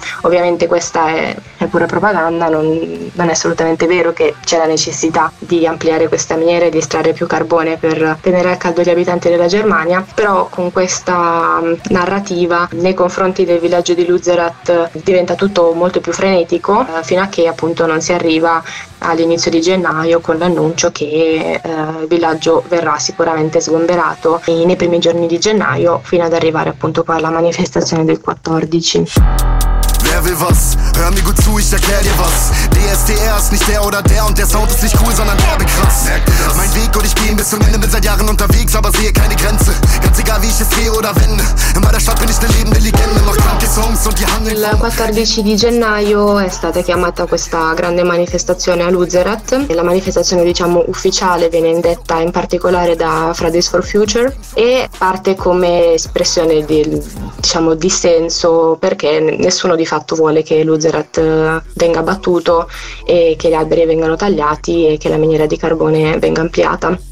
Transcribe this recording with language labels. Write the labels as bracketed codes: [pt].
[it] Ovviamente questa è pura propaganda, non è assolutamente vero che c'è la necessità di ampliare questa miniera e di estrarre più carbone per tenere al caldo gli abitanti della Germania, però con questa narrativa nei confronti del villaggio di Luzerat diventa tutto molto più frenetico, fino a che appunto non si arriva all'inizio di gennaio con l'annuncio che il villaggio verrà sicuramente sgomberato nei primi giorni di gennaio, fino ad arrivare appunto qua alla manifestazione del 14. [de] Wer will was? Hör mir gut zu, ich erklär dir was. DSDR ist nicht der oder der und der Sound ist nicht cool, sondern derbe krass. Mein Weg und ich gehe bis zum Ende, bin seit Jahren unterwegs, aber sehe keine Grenze. Ganz egal wie ich es gehe oder wende. In meiner Stadt bin ich eine lebende Legende, mach kranke Songs und die handeln. [it] Il 14 di gennaio è stata chiamata questa grande manifestazione a Luzerat. E la manifestazione, diciamo, ufficiale viene indetta in particolare da Fridays for Future e parte come espressione diciamo, dissenso, perché nessuno di fatto vuole che Luzerat venga abbattuto e che gli alberi vengano tagliati e che la miniera di carbone venga ampliata.